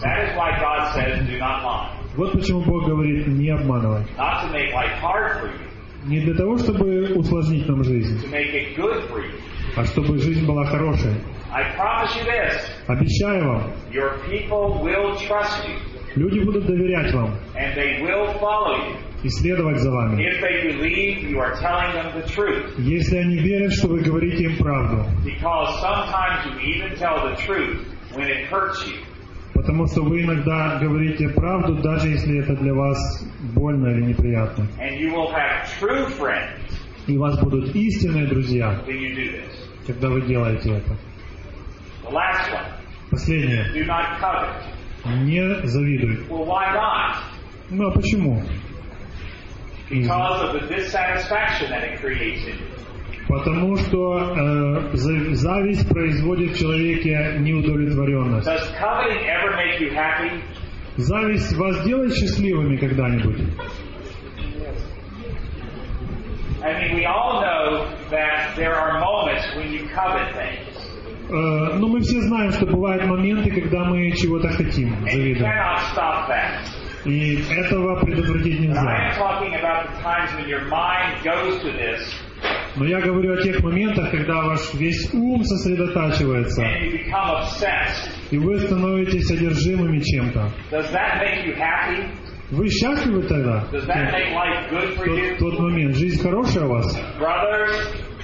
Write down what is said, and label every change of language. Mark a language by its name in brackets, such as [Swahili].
[English] That is why God says, do not lie. [Russian] Вот почему Бог говорит, не обманывай. [English] Not to make life hard for you. [Russian] Не для того, чтобы усложнить нам жизнь, [English] to make it good for you. [Russian] А чтобы жизнь была хорошей. [English] I promise you this. [Russian] Обещаю вам, [English] your people will trust you. [Russian] Люди будут доверять вам, [English] and they will follow you. [Russian] И следовать за вами, [English] if they believe you are telling them the truth. [Russian] Если они верят, что вы говорите им правду. [English] Because sometimes you even tell the truth when it hurts you. [Russian] Потому что вы иногда говорите правду, даже если это для вас больно или неприятно. [English] And you will have true friends, [Russian] и у вас будут истинные друзья, [English] when you do this. [Russian] Когда вы делаете это. [English] The last one. [Russian] Последнее. [English] Do not covet. [Russian] Не завидуй. [English] Well, why not? [Russian] Ну а почему? [English] Because of the dissatisfaction that it creates in you. [Russian] Потому что зависть производит в человеке неудовлетворенность. [English] Does coveting ever make you happy? [Russian] Зависть вас делает счастливыми когда-нибудь? [English] I mean, we all know that there are moments when you covet things. [Russian] Ну, мы все знаем, что бывают моменты, когда мы чего-то хотим, завидуем. [English] And you cannot stop that. [Russian] И этого предотвратить нельзя. [English] But I am talking about the times when your mind goes to this. [Russian] Но я говорю о тех моментах, когда ваш весь ум сосредотачивается, [English] and you become obsessed. [Russian] И вы становитесь одержимыми чем-то. [English] Does that make you happy? [Russian] Вы счастливы тогда? [English] Does that make life good for [Russian] you? Тот момент. Жизнь хорошая у вас? [English] Brothers,